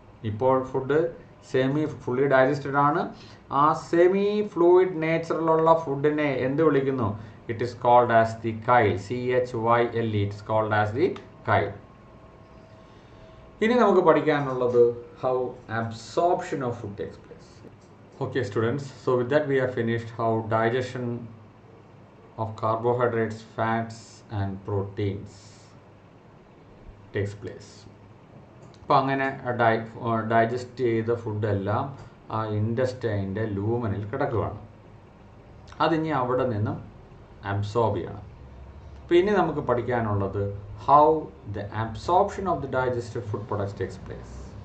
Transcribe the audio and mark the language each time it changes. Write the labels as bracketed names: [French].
[Malayalam] ഇപ്പോൾ food semi fully digested ആണ്. ആ സെമി ഫ്ലൂയിഡ് നേച്ചറിലുള്ള ഫുഡിനെ എന്ത് വിളിക്കുന്നു? [English] It is called as the chyle, CHYLE. It's called as the chyle. [Malayalam] ഇനി നമുക്ക് പഠിക്കാനുള്ളത് [English] How absorption of food takes place. Okay students, so with that we have finished how digestion of carbohydrates, fats and proteins takes place. [Malayalam] അപ്പോൾ അങ്ങനെ digest ചെയ്ത ഫുഡെല്ലാം ആ ഇൻഡസ്റ്റൈൻ്റെ ലൂമനിൽ കിടക്കുകയാണ്. അതിനി അവിടെ നിന്നും അബ്സോർബ് ചെയ്യണം. പിന്നെ നമുക്ക് പഠിക്കാനുള്ളത് [English] How the absorption of the digested food products takes place.